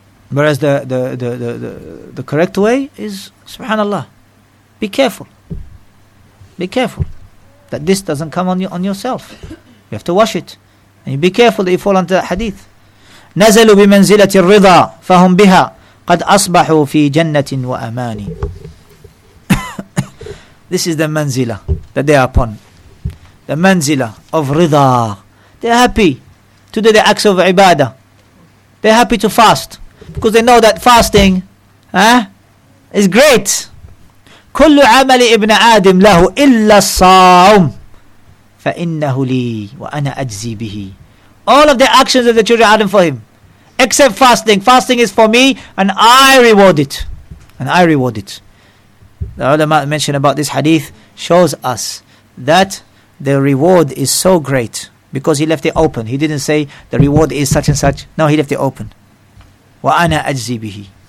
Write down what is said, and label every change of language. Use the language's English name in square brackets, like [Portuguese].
[English] Whereas the correct way is Subhanallah. Be careful. Be careful that this doesn't come on yourself. You have to wash it, and you be careful that you fall onto that hadith. [Arabic] نزلوا بمنزلة الرضا فهم بها قد أصبحوا في جنة وأمان. [English] This is the manzila that they are upon. The manzila of rida. They're happy to do the acts of ibadah. They're happy to fast because they know that fasting, is great. [Arabic] كل عمل ابن آدم له إلا الصوم فإنه لي وأنا أجزي به. [English] All of the actions of the children of Adam for him, except fasting. Fasting is for me, and I reward it. And I reward it. The ulama mentioned about this hadith shows us that the reward is so great because he left it open. He didn't say the reward is such and such. No, he left it open. [Arabic] Wa ana ajzi bihi.